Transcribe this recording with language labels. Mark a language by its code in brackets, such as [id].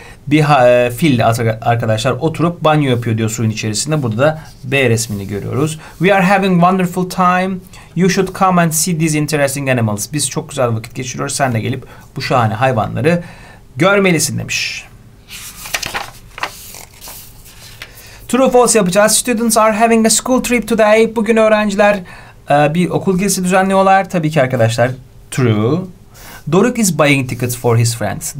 [tr] Bir fil arkadaşlar oturup banyo yapıyor diyor suyun içerisinde. Burada da B resmini görüyoruz. [en] We are having wonderful time. You should come and see these interesting animals. [tr] Biz çok güzel vakit geçiriyoruz. Sen de gelip bu şahane hayvanları görmelisin demiş. [en] True false [tr] yapacağız. [en] Students are having a school trip today. [tr] Bugün öğrenciler bir okul gezisi düzenliyorlar. Tabii ki arkadaşlar [en] true. Doruk is buying tickets for his friends.